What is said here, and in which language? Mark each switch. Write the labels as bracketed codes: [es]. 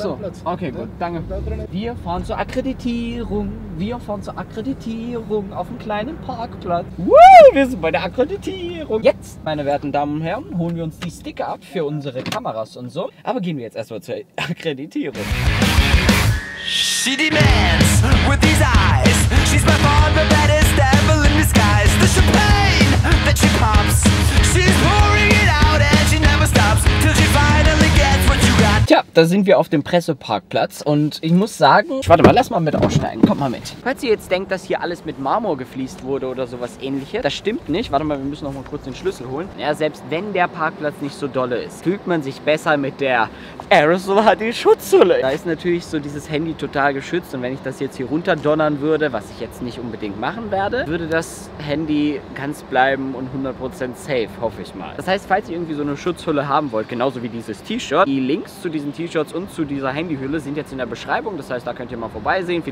[de] Ach so, okay, gut, danke. Wir fahren zur Akkreditierung. Wir fahren zur Akkreditierung auf einem kleinen Parkplatz. Woo, wir sind bei der Akkreditierung. Jetzt, meine werten Damen und Herren, holen wir uns die Sticker ab für unsere Kameras und so. Aber gehen wir jetzt erstmal zur Akkreditierung. [en] She demands with these eyes. She's by far the baddest devil in disguise. The champagne that she pops. She's pouring it out and she never stops till she finally gets what you got. [de] Tja, da sind wir auf dem Presseparkplatz und ich muss sagen. Warte mal, lass mal mit aussteigen. Komm mal mit. Falls ihr jetzt denkt, dass hier alles mit Marmor gefliest wurde oder sowas ähnliches, das stimmt nicht. Warte mal, wir müssen noch mal kurz den Schlüssel holen. Ja, selbst wenn der Parkplatz nicht so dolle ist, fühlt man sich besser mit der. Aerosol hat die Schutzhülle. Da ist natürlich so dieses Handy total geschützt und wenn ich das jetzt hier runter donnern würde, was ich jetzt nicht unbedingt machen werde, würde das Handy ganz bleiben und 100% safe, hoffe ich mal. Das heißt, falls ihr irgendwie so eine Schutzhülle haben wollt, genauso wie dieses T-Shirt, die Links zu diesen T-Shirts und zu dieser Handyhülle sind jetzt in der Beschreibung, das heißt, da könnt ihr mal vorbeisehen.